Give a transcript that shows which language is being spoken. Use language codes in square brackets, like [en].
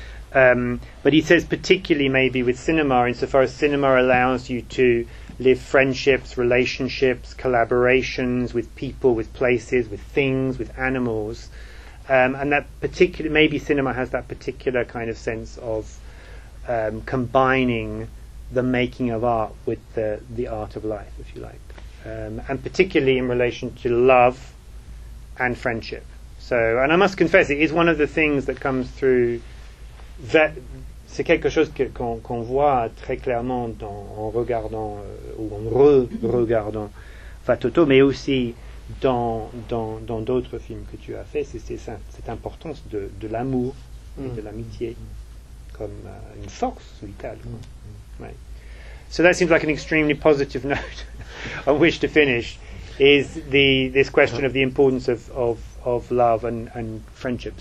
[en] But he says particularly maybe with cinema, insofar as cinema allows you to live friendships, relationships, collaborations with people, with places, with things, with animals, and that particular, maybe cinema has that particular kind of sense of combining the making of art with the art of life, if you like, and particularly in relation to love and friendship. So, and I must confess, it is one of the things that comes through. [fr] C'est quelque chose qu'on voit très clairement en regardant ou en re-regardant Fatoto, mais aussi dans d'autres films que tu as fait, c'est cette importance de l'amour et de l'amitié comme une force vitale. [en] Right. So that seems like an extremely positive note on which to finish, is this question of the importance of love and friendship.